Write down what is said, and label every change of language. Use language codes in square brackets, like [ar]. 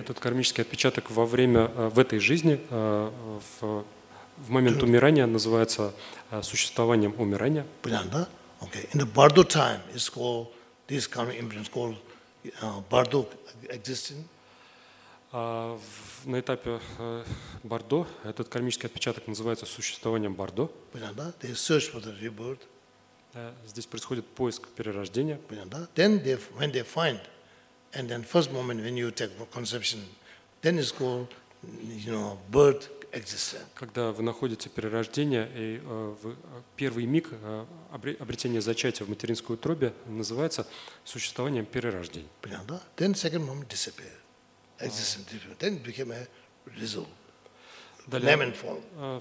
[ru] Этот кармический отпечаток во время в этой жизни в момент умирания называется существованием умирания. Понятно? [en] Okay, in the bardo time, it's called this karmic imprint is called bardo existence. [ru] На этапе Бордо этот кармический отпечаток называется существованием Бордо. Понятно? [en] They search for the rebirth. [ru] Здесь происходит поиск перерождения. Понятно? [en] Then they, when they find, and then first moment when you take conception, then it's called, you know, birth existence. [ru] Когда вы находите перерождение и в первый миг обретения зачатия в материнской утробе называется существованием перерождения. Понятно? [en] Then second moment disappears. Then became a result. Lemon form.